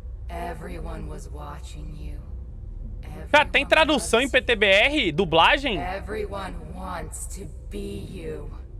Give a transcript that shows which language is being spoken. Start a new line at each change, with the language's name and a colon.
English: Everyone was watching you.
Portuguese: Cara, tem tradução em PTBR? Dublagem?
English: Everyone wants to be you.